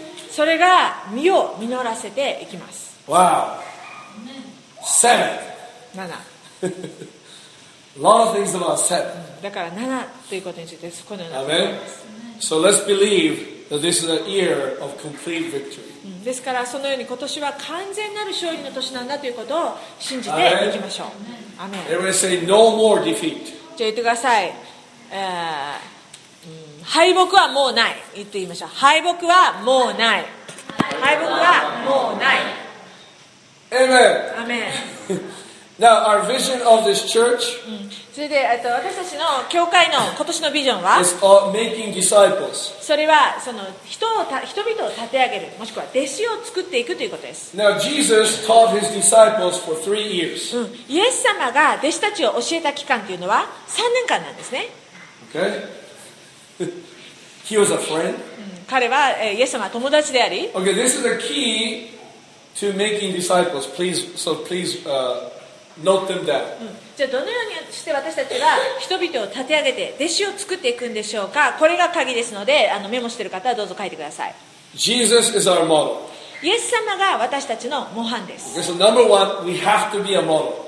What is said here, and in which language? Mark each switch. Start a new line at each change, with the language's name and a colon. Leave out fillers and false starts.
Japanese: それが実を実らせていきます。
English: Wow. Seven.
Japanese: 七。
English: A lot of things about seven.
Japanese: だから七ということについてそこのような。
English: Amen. So let's believe that this is a year of complete victory.
Japanese: ですからそのように今年は完全なる勝利の年なんだということを信じていきましょう。
English: Amen. Everybody say no more defeat.
Japanese: じゃあ言ってください。敗北はもうない。言ってみましょう。敗北はもうない。敗北はもうない。
English: Amen. Amen. Now, our vision of this church.
Japanese: それで、私たちの教会の今年のビジョンは、
English: is of making disciples.
Japanese: それはその人々を立て上げる、もしくは弟子を作っていくということです。
English: Now, Jesus taught his disciples for three years.
Japanese: イエス様が弟子たちを教えた期間というのは3年間なんですね。
English: Okay. He was a friend.
Japanese: 彼はイエス様は友達であり。
English: Okay, this is the key to making disciples. Please, so please, note them down.
Japanese: じゃあどのようにして私たちは人々を立て上げて弟子を作っていくんでしょうか。これが鍵ですので、メモしている方はどうぞ書いてください。
English: Jesus is our model.
Japanese: イエス様が私たちの模範です。
English: Okay, so number one, we have to be a model.